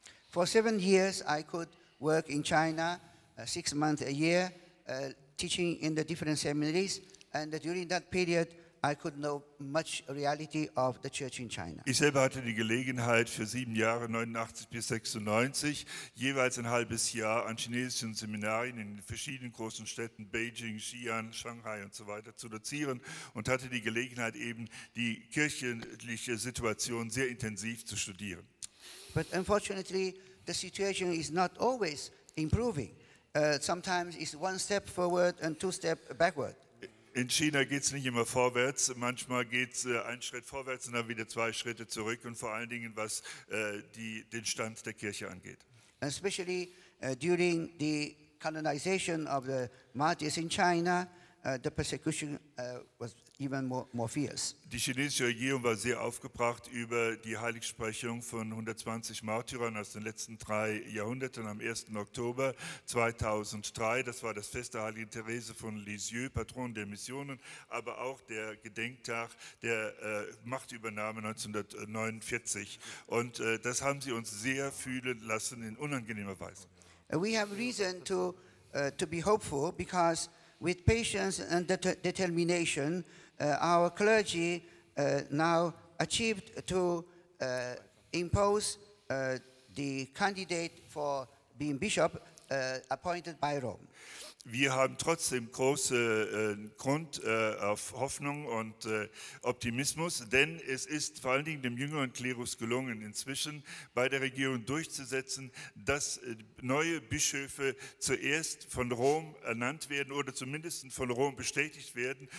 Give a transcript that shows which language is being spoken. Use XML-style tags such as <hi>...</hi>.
<en>For 7 years I could work in China, 6 months a year, teaching in the different seminaries, and during that period I could know much reality of the church in China.</en> <de>Ich selber hatte die Gelegenheit für 7 Jahre, 89 bis 96, jeweils ein halbes Jahr an chinesischen Seminarien in verschiedenen großen Städten, Beijing, Xi'an, Shanghai und so weiter, zu dozieren und hatte die Gelegenheit eben, die kirchliche Situation sehr intensiv zu studieren.</de> <en>But unfortunately, the situation is not always improving. Sometimes it's one step forward and two steps backward.</en> <de>In China geht es nicht immer vorwärts, manchmal geht es einen Schritt vorwärts und dann wieder 2 Schritte zurück und vor allen Dingen, was den Stand der Kirche angeht.</de> <en>Especially during the canonization of the martyrs in China, the persecution was even more fierce.</en> <de>Die chinesische Regierung war sehr aufgebracht über die Heiligsprechung von 120 Märtyrern aus den letzten 3 Jahrhunderten am 1. Oktober 2003. Das war das Fest der Heiligen Therese von Lisieux, Patron der Missionen, aber auch der Gedenktag der Machtübernahme 1949. Und das haben sie uns sehr fühlen lassen in unangenehmer Weise.</de> <en>We have reason to be hopeful because with patience and determination, our clergy now achieved to impose the candidate for being bishop appointed by Rome.</en> <de>Wir haben trotzdem große Grund auf Hoffnung und Optimismus, denn es ist vor allen Dingen dem jüngeren Klerus gelungen, inzwischen bei der Regierung durchzusetzen, dass neue Bischöfe zuerst von Rom ernannt werden oder zumindest von Rom bestätigt werden.</de>